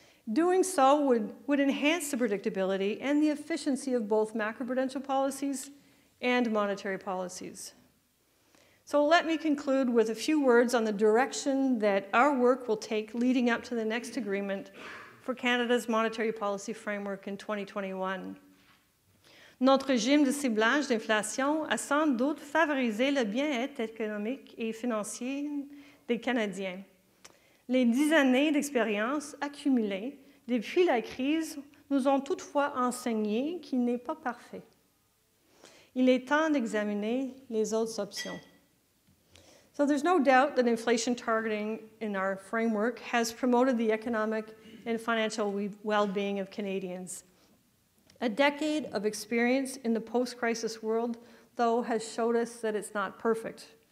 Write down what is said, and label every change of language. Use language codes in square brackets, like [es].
[en] Doing so would enhance the predictability and the efficiency of both macroprudential policies and monetary policies. So let me conclude with a few words on the direction that our work will take leading up to the next agreement for Canada's monetary policy framework in 2021. [fr] Notre régime de ciblage d'inflation a sans doute favorisé le bien-être économique et financier des Canadiens. Les 10 années d'expérience accumulées depuis la crise nous ont toutefois enseigné qu'il n'est pas parfait. Il est temps d'examiner les autres options. [en] So there's no doubt that inflation targeting in our framework has promoted the economic and financial well-being of Canadians. A decade of experience in the post-crisis world, though, has showed us that it's not perfect.